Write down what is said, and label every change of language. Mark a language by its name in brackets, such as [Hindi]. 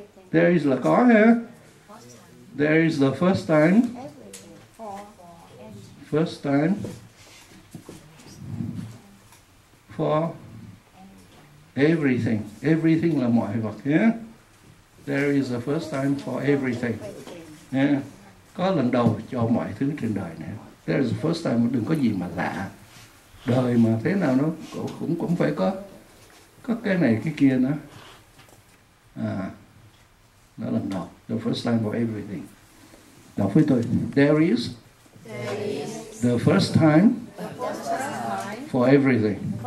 [English] There is [Vietnamese] là có ha. [English] There is the first time. First time for everything. Everything [Vietnamese] là mọi vật. [English] Yeah? There is the first time for everything. Yeah? [Vietnamese] Có lần đầu cho mọi thứ trên đời này. [English] There is the first time. [Vietnamese] Đừng có gì mà lạ. Đời mà thế nào nó cũng phải có cái này cái kia nữa. Đó lần đầu. [English] The first time for everything. [Vietnamese] Đọc với tôi. [English] There is. The first time for everything.